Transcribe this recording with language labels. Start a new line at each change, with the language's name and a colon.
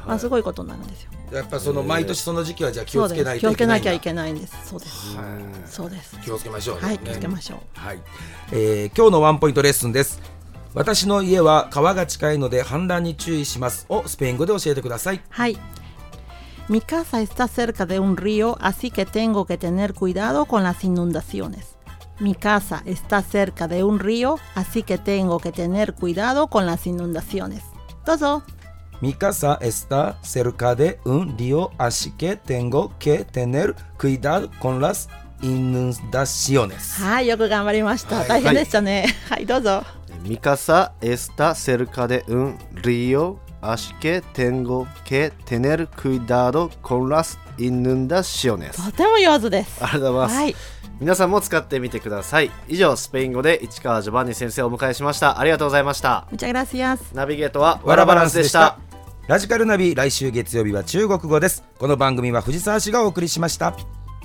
Japanese: まあ、すごいことになるんですよ。やっぱその毎年その時期はじゃあ気をつけないといけないんだ。気をつけなきゃいけないんです。そうです、はい、そうです、気をつけましょう、ね、はい、気をつけましょう、はい、今日のワンポイントレッスンです。私の家は川が近いので氾濫に注意しますをスペイン語で教えてください。
Spanish: はい、Mi casa está cerca de un río, así que tengo que tener cuidado con las inundaciones. Mi casa está cerca de un río, así que tengo que tener cuidado con las inundaciones.
Japanese: どうぞ。
Spanish: Mi casa está cerca de un río, así que tengo que tener cuidado con las inundaciones.
Japanese: はい、よく頑張りました。はい、大変でしたね。はい、はい、どうぞ。
Spanish: Mi casa está cerca de un río. Así que tengo que tener cuidado con las inundaciones.
Japanese: とても上手です。ありがとうございます、はい、皆さんも使ってみてください。以上、スペイン語で市川ジョバンニ先生をお迎えしました。ありがとうございました。
Spanish: Muchas gracias.
Japanese: ナビゲートはワラバランスでした。ラジカルナビ、来週月曜日は中国語です。この番組は藤沢氏がお送りしました。